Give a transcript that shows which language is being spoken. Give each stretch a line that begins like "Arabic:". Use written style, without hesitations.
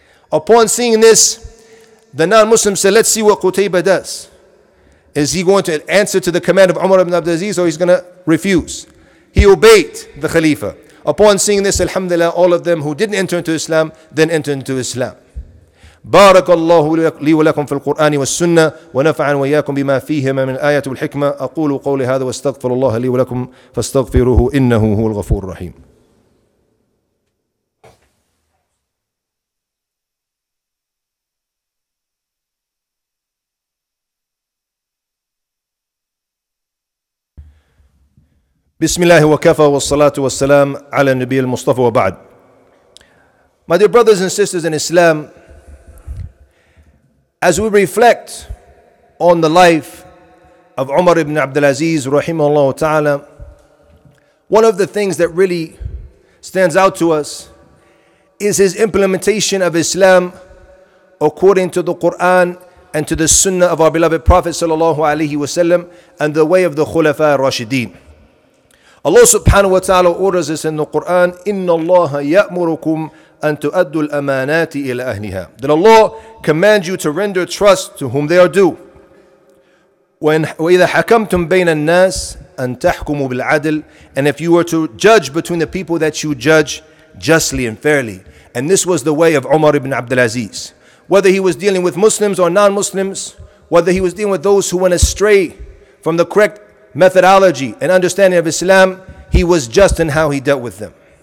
English: Upon seeing this, the non-Muslims said, let's see what Qutaybah does. Is he going to answer to the command of Umar ibn Abdul Aziz, or he's going to refuse? He obeyed the Khalifa. Upon seeing this, alhamdulillah, all of them who didn't enter into Islam, then entered into Islam.
Arabic: بارك الله لي ولكم في القرآن والسنة ونفعاً وإياكم بما فيهما من الآية والحكمة أقول قولي هذا واستغفر الله لي ولكم فاستغفروه إنه هو الغفور الرحيم. بسم الله وكفى والصلاة والسلام على النبي المصطفى وبعد.
English: My dear brothers and sisters in Islam, as we reflect on the life of Umar ibn Abdul Aziz, rahimahullah ta'ala, one of the things that really stands out to us is his implementation of Islam according to the Quran and to the Sunnah of our beloved Prophet sallallahu alayhi wa sallam and the way of the Khulafa al-Rashideen. Allah subhanahu wa ta'ala orders us in the Quran, Inna Allah ya'murukum and to add the amanat ila ahliha. That Allah commands you to render trust to whom they are due. When
Arabic: وَإِذَا حَكَمْتُمْ بَيْنَ النَّاسِ أَن تَحْكُمُوا بِالْعَدْلِ.
English: And if you were to judge between the people, that you judge justly and fairly. And this was the way of Umar ibn Abdul Aziz. Whether he was dealing with Muslims or non-Muslims, whether he was dealing with those who went astray from the correct methodology and understanding of Islam, he was just in how he dealt with them.